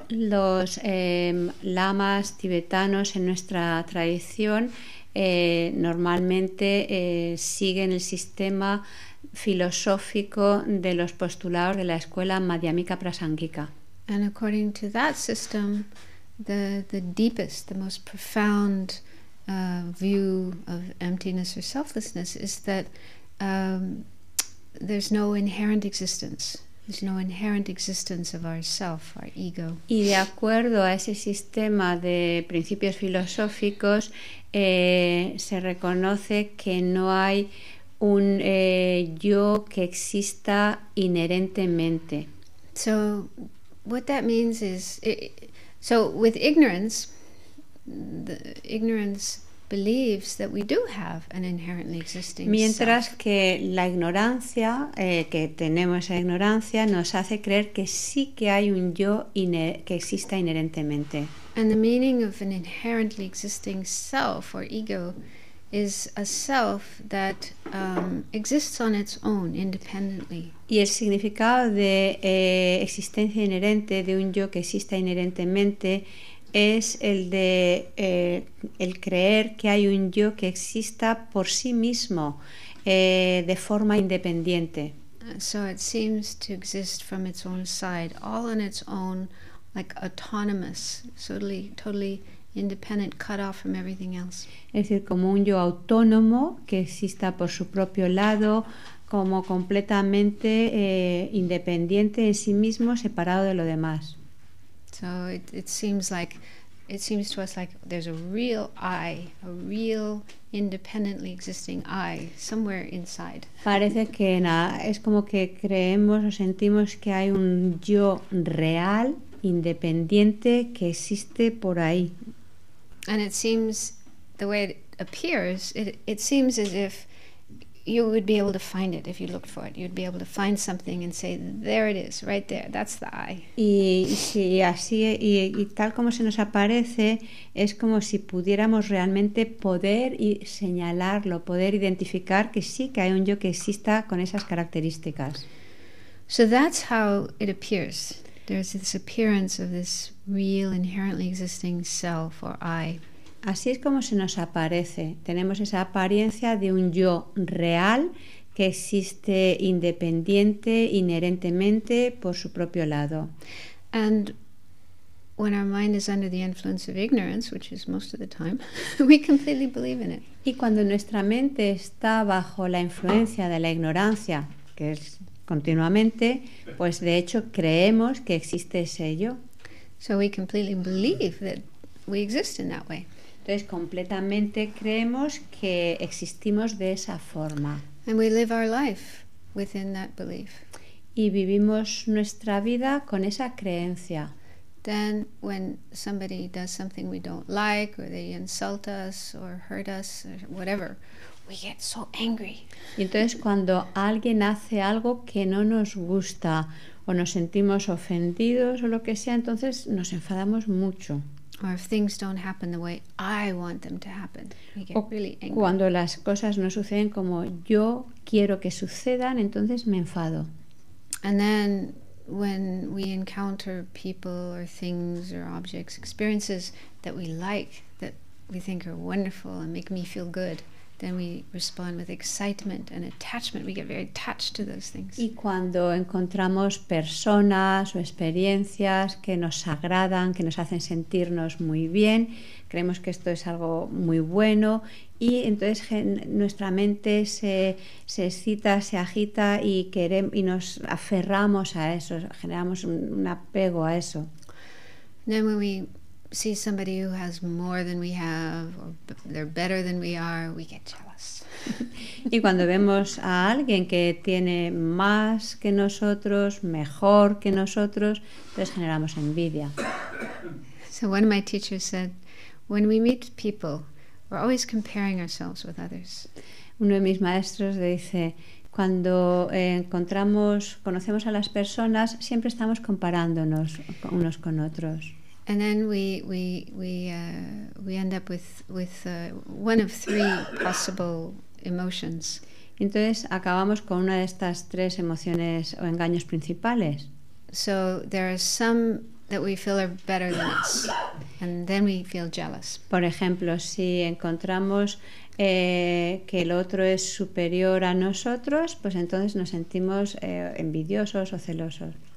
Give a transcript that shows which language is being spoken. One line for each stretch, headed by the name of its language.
Spanish: Los lamas tibetanos en nuestra tradición normalmente siguen el sistema filosófico de los postulados de la escuela Madhyamika Prasangika.
English: And according to that system, the deepest, the most profound view of emptiness or selflessness is that there's no inherent existence. There's no inherent existence of ourself, our ego.
Spanish: Y de acuerdo a ese sistema de principios filosóficos, se reconoce que no hay un yo que exista inherentemente.
English: So, what that means is, so with ignorance, the ignorance believes that we do have an inherently existing
Spanish: mientras
English: self.
Spanish: Que la ignorancia que tenemos esa ignorancia nos hace creer que sí que hay un yo que exista inherentemente.
English: And the meaning of an inherently existing self or ego is a self that exists on its own independently.
Spanish: Y el significado de existencia inherente, de un yo que exista inherentemente, es el de el creer que hay un yo que exista por sí mismo de forma independiente.
English: So it seems to exist from its own side, all on its own, like autonomous, totally independent, cut off from everything else.
Spanish: Es decir, como un yo autónomo que exista por su propio lado, como completamente independiente en sí mismo, separado de lo demás.
English: So it seems to us like there's a real I, a real independently existing I somewhere inside.
Spanish: Parece que es como que creemos o sentimos que hay un yo real, independiente, que existe por ahí.
English: And it seems, the way it appears, it seems as if you would be able to find it if you looked for it. You'd be able to find something and say, there it is, right there, that's the I.
Spanish: Y así, y tal como se nos aparece, es como si pudiéramos realmente poder y señalarlo, poder identificar que sí, que hay un yo que exista con esas características.
English: So that's how it appears. There's this appearance of this real, inherently existing self or I.
Spanish: Así es como se nos aparece. Tenemos esa apariencia de un yo real que existe independiente, inherentemente, por su propio lado.
English: And when our mind is under the influence of ignorance, which is most of the time, we completely believe in it.
Spanish: Y cuando nuestra mente está bajo la influencia de la ignorancia, que es continuamente, pues de hecho creemos que existe ese yo.
English: So we completely believe that we exist in that way.
Spanish: Entonces completamente creemos que existimos de esa forma.
English: And we live our life within that belief.
Spanish: Y vivimos nuestra vida con esa creencia.
English: Then when somebody does something we don't like, or they insult us or hurt us or whatever, we get so angry.
Spanish: Y entonces cuando alguien hace algo que no nos gusta o nos sentimos ofendidos o lo que sea, entonces nos enfadamos mucho.
English: Or if things don't happen the way I want them to happen, we get really angry.
Spanish: Cuando las cosas no suceden como yo quiero que sucedan, entonces me enfado.
English: And then when we encounter people or things or objects, experiences that we like, that we think are wonderful and make me feel good, then we respond with excitement and attachment. We get very attached to those things.
Spanish: Y cuando encontramos personas o experiencias que nos agradan, que nos hacen sentirnos muy bien, creemos que esto es algo muy bueno, y entonces nuestra mente se excita, se agita, y queremos y nos aferramos a eso, generamos un apego a eso.
English: Then when we see somebody who has more than we have, or they're better than we are, we get jealous.
Spanish: Y cuando vemos a alguien que tiene más que nosotros, mejor que nosotros, pues generamos envidia.
English: So one of my teachers said, when we meet people, we're always comparing ourselves with others.
Spanish: Uno de mis maestros dice, cuando conocemos a las personas, siempre estamos comparándonos unos con otros.
English: And then we end up with one of three possible emotions.
Spanish: Entonces acabamos con una de estas tres emociones o engaños principales.
English: So there are some that we feel are better than us, and then we feel jealous.
Spanish: Por ejemplo, si encontramos que el otro es superior a nosotros, pues entonces nos sentimos envidiosos o celosos.